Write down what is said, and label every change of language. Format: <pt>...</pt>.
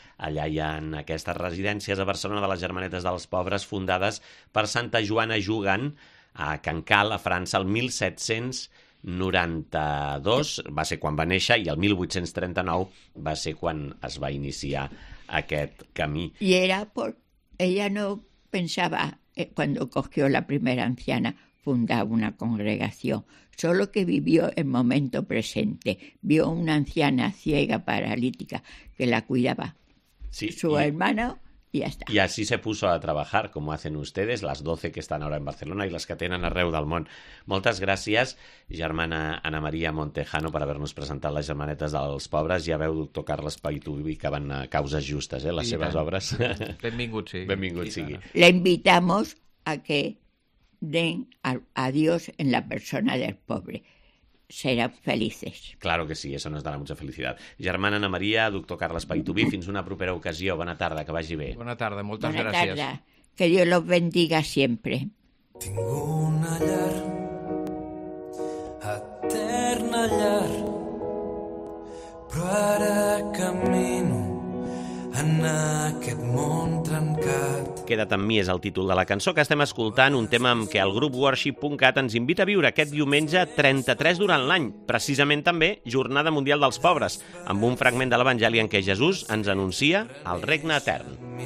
<ca>Allà hi ha aquestes residències a Barcelona de les Germanetes dels Pobres, fundades per Santa Joana Jugant a Can Cal, a França, el 1792, va ser quan va néixer, i el 1839 va ser quan es va iniciar aquest camí. I era per... ella no...</ca> <es>pensaba, cuando cogió la primera anciana, fundar una congregación. Solo que vivió el momento presente. Vio una anciana ciega, paralítica, que la cuidaba. Sí, su hermano, y ya está. Y así se puso a trabajar, como hacen ustedes, las 12 que están ahora en Barcelona y las que</es> <ca>tenen arreu del món. Moltes gràcies, germana Ana María Montejano, per haver-nos presentat les Germanetes dels Pobres. Ja veu, doctor Carles Paitú, que van a causes justes, les seves obres. Benvingut, sí. Benvingut, sigui.</ca> <es>Le invitamos a que den a Dios en la persona del pobre. Serán felices. Claro que sí, eso nos dará mucha felicidad.</es> <ca>Germana Ana María, doctor Carles Paitubí, fins una propera ocasió. Bona tarda, que vagi bé. Bona tarda, moltes gràcies. Bona tarda,</ca> <es>que Dios los bendiga siempre.</es> <ca>Tinc una llar, eterna llar, però ara camino en aquest món trencat. Queda't amb mi és el títol de la cançó que estem escoltant, un tema amb què el grup Worship.cat ens invita a viure aquest diumenge 33 durant l'any, precisament també Jornada Mundial dels Pobres, amb un fragment de l'Evangeli en què Jesús ens anuncia el regne etern.</ca>